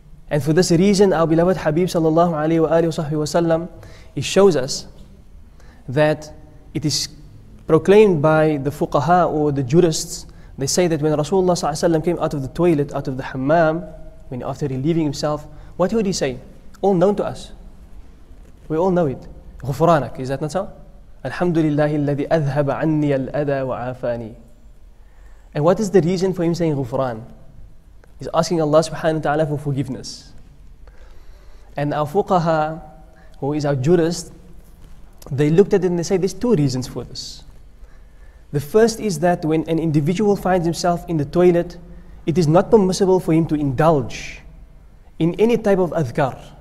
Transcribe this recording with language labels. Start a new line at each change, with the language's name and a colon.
English: And for this reason, our beloved Habib sallallahu alayhi wa sahbihi wa sallam, he shows us that it is proclaimed by the fuqaha or the jurists. They say that when Rasulullah sallallahu alayhi wa sallam came out of the toilet, out of the hammam, when after relieving himself, what would he say? All known to us. We all know it. غفرانك, is that not so?
Arabic: الحمد لله الذي أذهب عني الأذى وعافاني.
English: And what is the reason for him saying غفران? He's asking Allah subhanahu wa ta'ala for forgiveness. And our fuqaha, who is our jurist, they looked at it and they say there's two reasons for this. The first is that when an individual finds himself in the toilet, it is not permissible for him to indulge in any type of adhkar.